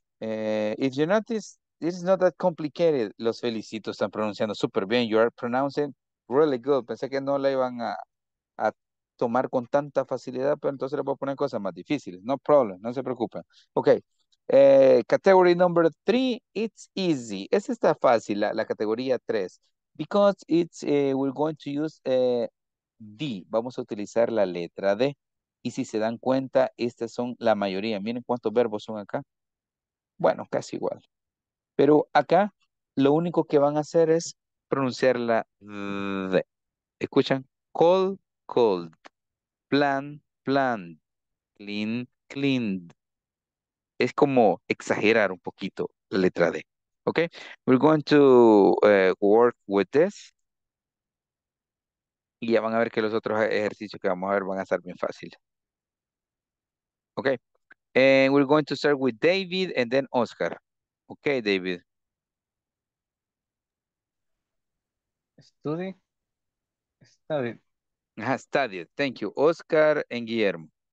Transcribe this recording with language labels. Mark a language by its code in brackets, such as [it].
[en] If you notice, this is not that complicated. [es] Los felicito, están pronunciando súper bien. [en] You are pronouncing really good. [es] Pensé que no la iban a tomar con tanta facilidad, pero entonces le voy a poner cosas más difíciles. [en] No problem, [es] no se preocupen. [en] Okay. Category number three, it's easy. [es] Esta está fácil, la categoría tres. [en] Because it's, we're going to use D. [es] Vamos a utilizar la letra D. Y si se dan cuenta, estas son la mayoría. Miren cuántos verbos son acá. Bueno, casi igual. Pero acá, lo único que van a hacer es pronunciar la D. [en] ¿Escuchan? Call, called. Plan, planned. Clean, cleaned. [es] Es como exagerar un poquito la letra D. Ok. [en] We're going to work with this. [es] Y ya van a ver que los otros ejercicios que vamos a ver van a ser bien fáciles. [en] Ok. And we're going to start with David and then Oscar. Ok, David. Studied. Studied. Thank you. Oscar and Guillermo.